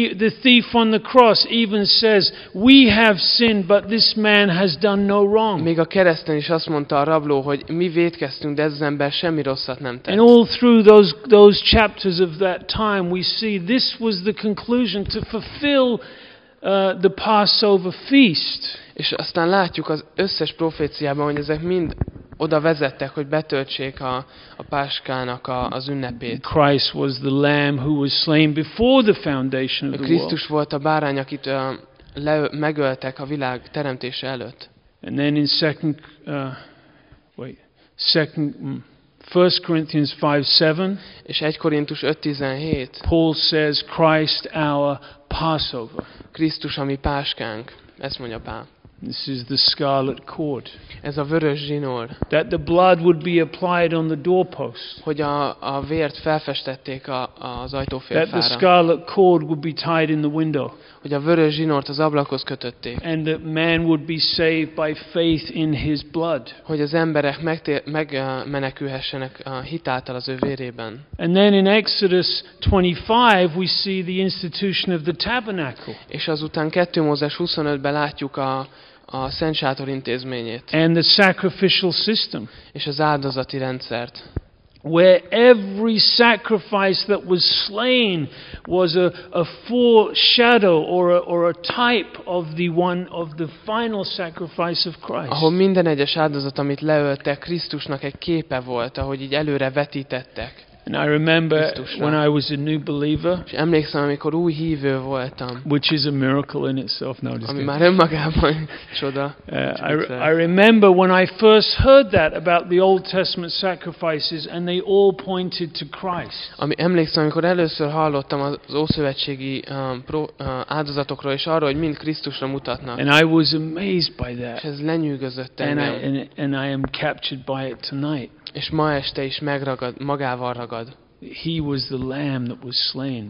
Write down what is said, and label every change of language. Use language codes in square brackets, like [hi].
[en] The thief on the cross even says, we have sinned, but this man has done no wrong. [hu] Még a kereszten is azt mondta a rabló, hogy mi vétkeztünk, de ez az ember semmi rosszat nem tett. [en] And all through those chapters of that time, we see this was the conclusion to fulfill the Passover feast. [hu] És aztán látjuk az összes proféciában, hogy ezek mind oda vezettek, hogy betöltsék a páskának az ünnepét. [en] Christ was the lamb who was slain before the foundation of the world. [hu] Krisztus volt a bárány, akit megöltek a világ teremtése előtt. [en] And then in First Corinthians 5:7, [hu] és 1 Korintus 5:17, [en] Paul says, Christ our Passover. [hu] Krisztus a mi páskánk, ezt mondja Pál. [en] This is the scarlet cord. [hu] Ez a vörös zsinór. [en] That the blood would be applied on the doorpost. [hu] Hogy a vért felfestették az ajtófélfára. [en] That the scarlet cord would be tied in the window. [hu] Hogy a vörös zsinórt az ablakhoz kötötték. [en] And that man would be saved by faith in his blood. [hu] Hogy az emberek megmenekülhessenek a hitáltal az ő vérében. [en] And then in Exodus 25 we see the institution of the tabernacle. [hu] És azután 2 Mózes 25-ben látjuk a Szent Sátor intézményét. [en] And the sacrificial system. [hu] És az áldozati rendszert. [en] where every sacrifice that was slain was a foreshadow or a type of the one of the final sacrifice of Christ. [hu] Ahol minden egyes áldozat, amit leöltek, Krisztusnak egy képe volt, ahogy így előre vetítettek. [en] And I remember when I was a new believer. [hu] És emlékszem, amikor új hívő voltam. [en] Which is a miracle in itself. No, [hu] ami már önmagában csoda. [en] I remember when I first heard that about the Old Testament sacrifices, and they all pointed to Christ. [hu] Ami emlékszem, amikor először hallottam az ószövetségi áldozatokról és arról, hogy mind Krisztusra mutatnak. [en] And I was amazed by that. [hu] És ez lenyűgözött engem. [en] And I am captured by it tonight. [hu] És ma este is megragad, magával ragad. [en] He was the lamb that was slain.